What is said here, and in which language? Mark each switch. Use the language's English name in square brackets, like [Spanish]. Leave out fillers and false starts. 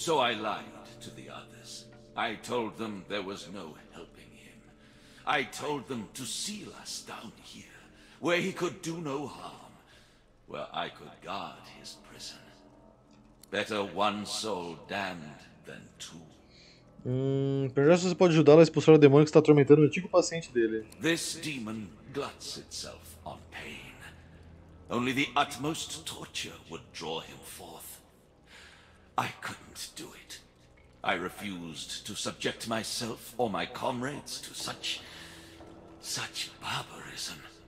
[English] So I lied to the others. I told them there was no helping him. I told them to seal us down here, where he could do no harm, where I could guard his prison. Better one soul damned than two. [Portuguese] Perdão, se você pode ajudá-la a expulsar o demônio que está atormentando o antigo paciente dele. [English] This demon gluts itself on pain. Only the utmost torture would draw him forth. I couldn't do it. I refused to subject myself or my comrades to such barbarism.